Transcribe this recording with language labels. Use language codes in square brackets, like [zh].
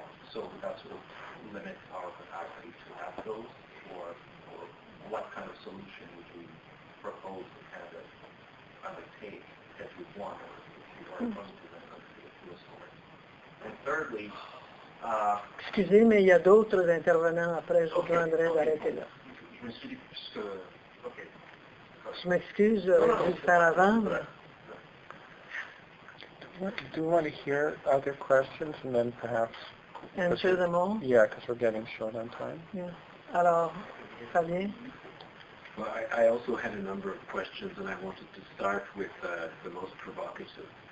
[en] So would that sort of limit our capacity to have those? Or what kind of solution would we propose to Canada undertake if we want or if we are opposed to them to a sort? And thirdly, [fr] excusez, mais il y a d'autres intervenants après, je vous demanderai d'arrêter là. Je m'excuse, je vais faire avant. [en] Do you want to hear other questions and then perhaps answer them all? Yeah, because we're getting short on time. Yeah. [fr] Alors, Fabien? [en] Well, I also had a number of questions and I wanted to start with the most provocative.